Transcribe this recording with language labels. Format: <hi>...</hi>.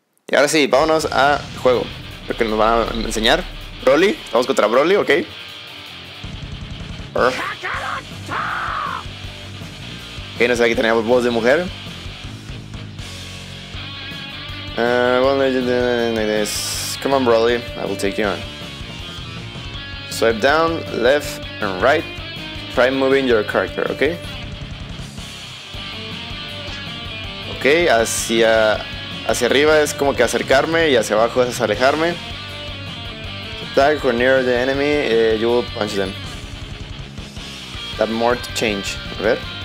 <es>Y ahora sí, vámonos a juego. Creo que nos van a enseñar. Broly, vamos contra Broly, ok. Ok, no sé, aquí teníamos voz de mujer.</es> <en>Come on, Broly, I will take you on. Swipe down, left and right. Try moving your character, ok.</en> <es>Ok, hacia arriba es como que acercarme y hacia abajo es alejarme.</es> <en>Attack when near the enemy, you will punch them. That more to change.</en> <es>A ver.</es>